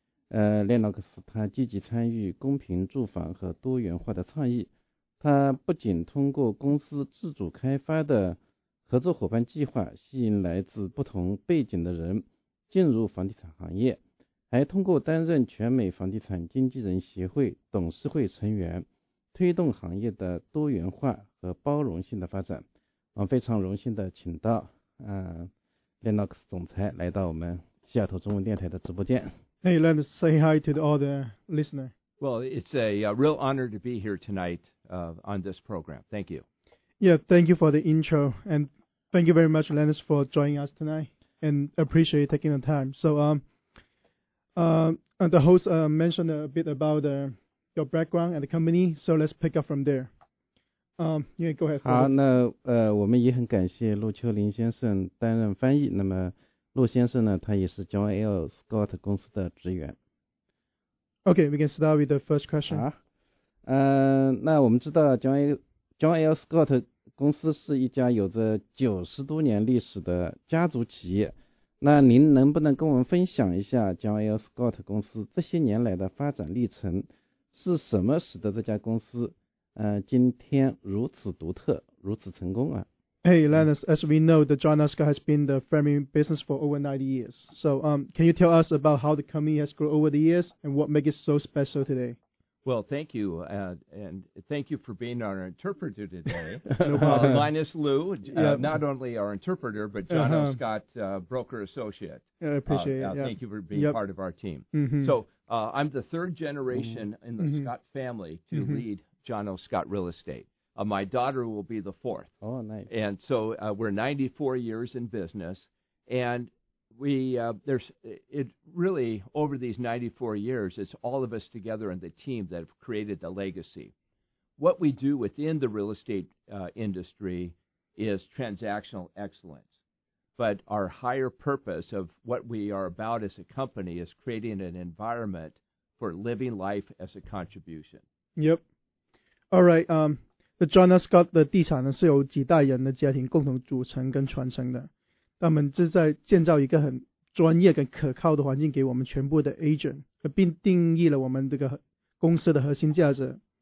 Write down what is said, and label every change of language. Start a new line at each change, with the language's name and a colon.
Chinese: Lennox 他积极参与公平住房和多元化的倡议，他不仅通过公司自主开发的合作伙伴计划吸引来自不同背景的人进入房地产行业，还通过担任全美房地产经纪人协会董事会成员，推动行业的多元化和包容性的发展。我非常荣幸的请到Lennox 总裁来到我们西雅图中文电台的直播间。
English: Hey, let me say hi to all the listeners. Well, it's a real honor to be here tonight on this program. Thank you. Yeah, thank you for the intro. And thank you very much, Lennox, for joining us tonight. And appreciate you taking the time. So, the host mentioned a bit about your background and the company. So let's pick up from there. Yeah, go ahead.
Chinese: 好，那我们也很感谢陆秋林先生担任翻译。那么陆先生呢，他也是 John L. Scott 公司的职员。
English: Okay, we can start with the first question.
Chinese: 好，那我们知道 John L. Scott 公司是一家有着90多年历史的家族企业。那您能不能跟我们分享一下 John L. Scott 公司这些年来的发展历程，是什么使得这家公司今天如此独特，如此成功啊？
English: Hey, Lennox, as we know, the John L. Scott has been the family business for over 90 years. So, can you tell us about how the company has grown over the years and what makes it so special today? Well, thank you. And thank you for being our interpreter today. No problem. Linus Liu, not only our interpreter, but John L. Scott, broker associate. Yeah, I appreciate it. Thank you for being part of our team. Mm-hmm. So, I'm the third generation in the Scott family to lead John L. Scott Real Estate. My daughter will be the fourth. Oh, nice. And so we're 94 years in business, and over these 94 years, it's all of us together and the team that have created the legacy. What we do within the real estate industry is transactional excellence, but our higher purpose of what we are about as a company is creating an environment for living life as a contribution. Yep. All right. John L.
Chinese: Scott 的地产呢是由几代人的家庭共同组成跟传承的，他们是在建造一个很专业跟可靠的环境给我们全部的 agent， 并定义了我们这个公司的核心价值。